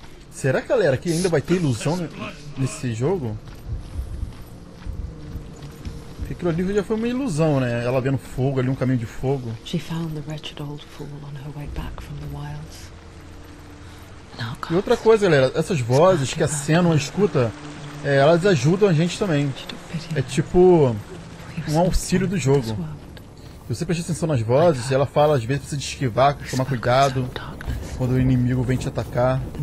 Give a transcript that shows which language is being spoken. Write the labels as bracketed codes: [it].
[pt] Será, galera, que ainda vai ter ilusão nesse jogo? Porque o livro já foi uma ilusão, né? Ela vendo fogo ali, um caminho de fogo. [en] She found the wretched old fool on her way back from the wilds. [pt] E outra coisa, galera, essas vozes que a Senua escuta, elas ajudam a gente também. É tipo um auxílio do jogo. Se você prestar atenção nas vozes, ela fala às vezes para você esquivar, tomar cuidado quando o inimigo vem te atacar.